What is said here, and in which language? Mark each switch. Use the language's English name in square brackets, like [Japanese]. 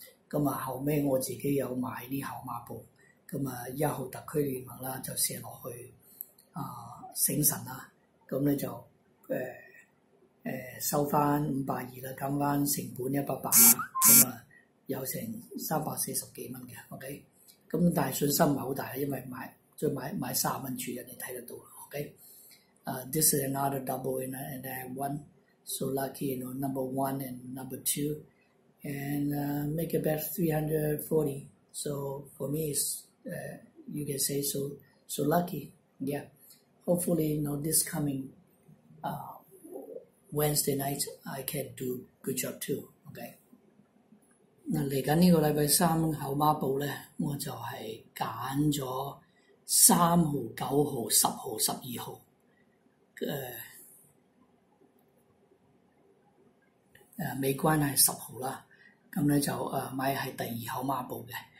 [Cantonese] 咁啊，後屘我自己有買啲號碼布，咁啊一號特區聯盟啦，就射落去醒神啦，咁咧就收翻520啦，減翻成本180啦，咁啊。有成340幾蚊嘅，OK，咁但係信心唔係好大，因為買再買30蚊注入，你睇得到，OK。 [English] This is another double and I won, so lucky, you know, number one and number two, and make about 340. So for me, is you can say so lucky, yeah. Hopefully, you know, this coming Wednesday night, I can do good job too, OK. [Cantonese] 嗱，嚟緊呢個禮拜三考孖寶咧，我就係揀咗3號、9號、10號、12號，美關係10號啦。咁咧就買係第二考孖寶嘅。